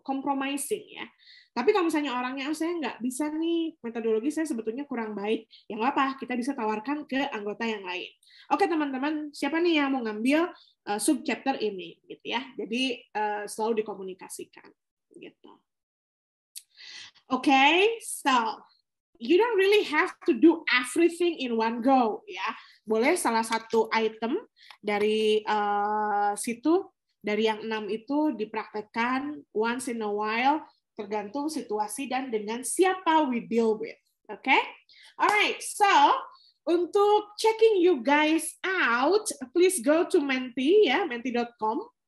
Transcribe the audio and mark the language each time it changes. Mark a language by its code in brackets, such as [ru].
[id] Compromising ya. Tapi kalau misalnya orangnya oh, saya nggak bisa nih metodologi saya sebetulnya kurang baik, ya nggak apa, kita bisa tawarkan ke anggota yang lain. Oke, teman-teman, siapa nih yang mau ngambil sub chapter ini gitu ya. Jadi selalu dikomunikasikan gitu. [en] Okay, so you don't really have to do everything in one go ya. [id] Boleh salah satu item dari situ dari yang 6 itu dipraktekkan [en] once in a while [id] tergantung situasi dan dengan siapa [en] we deal with. Okay? Alright, so untuk checking you guys out, please go to Menti, ya, menti.com.